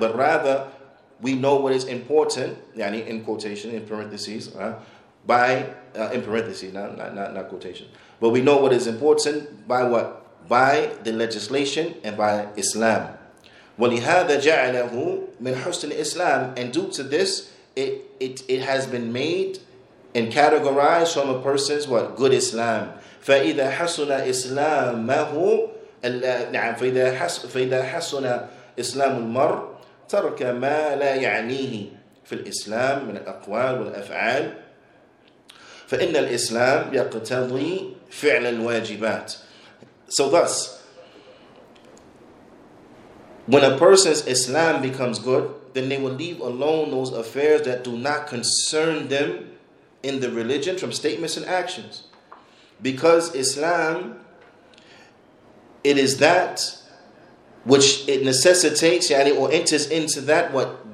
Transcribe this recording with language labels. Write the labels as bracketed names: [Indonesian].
[English] But rather, we know what is important, yani in quotation, in parentheses, not quotation. But we know what is important by what? By the legislation and by Islam. وَلِهَذَا جَعْلَهُ مِنْ حُسْنِ الْإِسْلَامِ. And due to this, it has been made and categorized from a person's what? Good Islam. [Arabic] فَإِذَا حَسُنَ إِسْلَامَهُ نعم فإذا حسن إسلام المرء ترك ما لا يعنيه في الإسلام من الأقوال والأفعال فإن الإسلام يقتضي فعل الواجبات. [English] So thus, when a person's Islam becomes good, then they will leave alone those affairs that do not concern them in the religion from statements and actions. Because Islam, it is that which it necessitates, yani, or enters into that, what?